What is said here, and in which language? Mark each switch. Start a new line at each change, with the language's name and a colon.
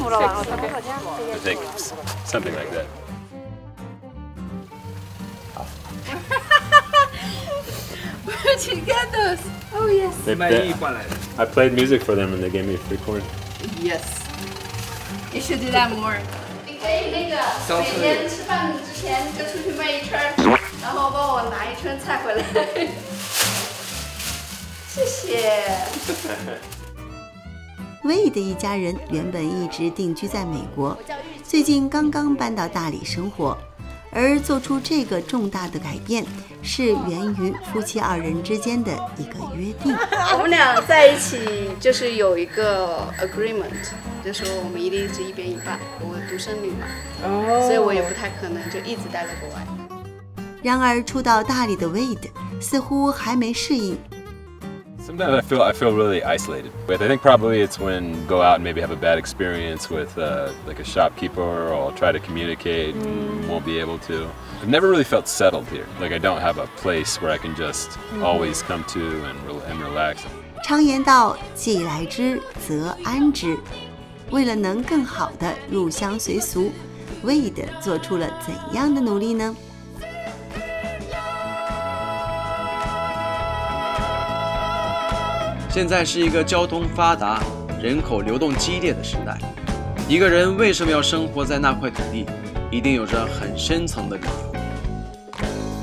English: I think something like that. 好。Where did you get those? Oh yes. I played music for them, and they gave me a free corn. Yes. You should do that more.
Chinese: 哎，那个，每天吃饭之前就出去卖一圈，然后帮我拿一圈菜回来。谢谢。威的一家人原本一直定居在美国，最近刚刚搬到大理生活，而做出这个重大的改变是源于夫妻二人之间的一个约定。我们俩在一起就是有一个 agreement， 就是我们一定是一边一半，我独生女嘛，所以我也不太可能就一直待在国外。然而初到大理的 Wade 似乎还没适应。
English: Sometimes I feel really isolated. But I think probably it's when I go out and maybe have a bad experience with like a shopkeeper, or I'll try to communicate and won't be able to. I've never really felt settled here. Like I don't have a place where I can just always come to and relax.
Chinese: 常言道，既来之则安之。为了能更好的入乡随俗 ，Wade 做出了怎样的努力呢？现在是一个交通发达、人口流动激烈的时代，一个人为什么要生活在那块土地，一定有着很深层的感悟。